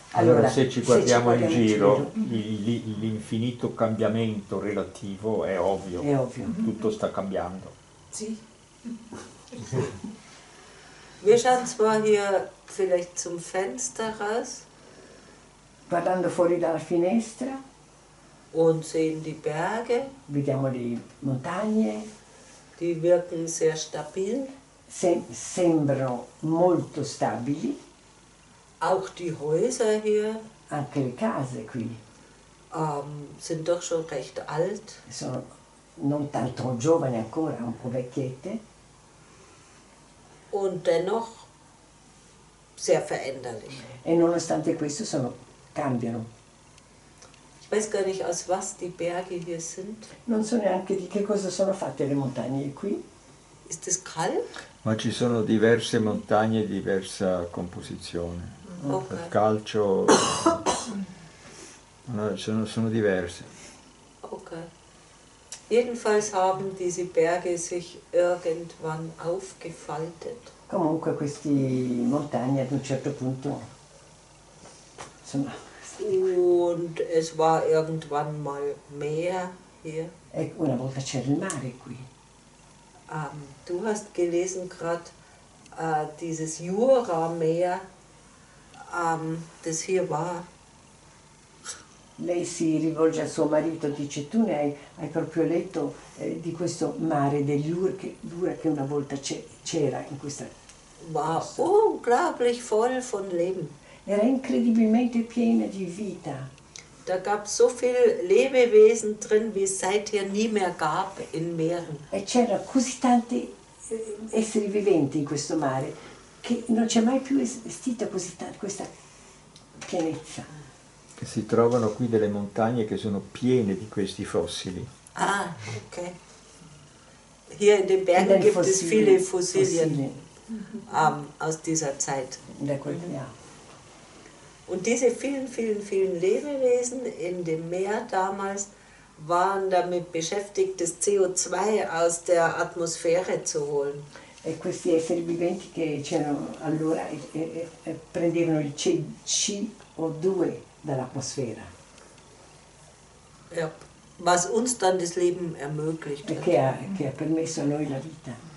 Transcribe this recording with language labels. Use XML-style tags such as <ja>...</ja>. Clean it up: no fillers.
<it>allora se ci guardiamo in giro, l'infinito cambiamento relativo è ovvio. È ovvio. Tutto sta cambiando. Sì.</it> <de>Wir schauen zwar hier vielleicht zum Fenster raus.</de> <it>Guardando fuori dalla finestra.</it> <de>Und sehen die Berge.</de> <it>Vediamo le montagne.</it> <de>Die wirken sehr stabil.</de> <it>Sembrano molto stabili.</it> <de>Auch die Häuser hier.</de> <it>Anche le case qui.</it> <de>Sind doch schon recht alt.</de> <it>Sono non tanto giovani ancora, un po' vecchiette.</it> <de>Und dennoch sehr veränderlich.</de> <it>E nonostante questo sono cambiano.</it> <de>Ich weiß gar nicht, aus was die Berge hier sind.</de> <it>Non so neanche di che cosa sono fatte le montagne qui.</it> <de>Ist das Kalk?</de> <it>Ma ci sono diverse montagne di diversa composizione. Okay. Il calcio. No, sono diverse. Ok.</it> <de>Jedenfalls haben diese Berge sich irgendwann aufgefaltet.</de> <it>Comunque questi montagne ad un certo punto sono.</it> <de>Und es war irgendwann mal Meer hier.</de> <it>E una volta c'era il mare qui.</it> <de>Du hast gelesen gerade dieses Jura-Meer, das hier war.</de> <it>Lei si rivolge a suo marito e dice, tu ne hai proprio letto di questo mare dell'Jura che una volta c'era in questa.</it> <de>War unglaublich voll von Leben.</de> <it>Era incredibilmente piena di vita.</it> <de>Da gab so viel Lebewesen drin, wie es seither nie mehr gab in Meeren.</de> <it>E c'era così tanti esseri viventi in questo mare che non c'è mai più esistita così tanta questa pienezza. Si trovano qui delle montagne che sono piene di questi fossili. Ah, ok.</it> <de>Hier in den Bergen gibt es viele Fossilien aus dieser Zeit. Und diese vielen, vielen, vielen Lebewesen in dem Meer damals waren damit beschäftigt, das CO2 aus der Atmosphäre zu holen.</de> <it>E questi esseri viventi che c'erano allora prendevano il CO2 dall'atmosfera.</it> <de>Ja. was uns dann das Leben ermöglicht hat.</de> <it>Che ha permesso a noi la vita.</it>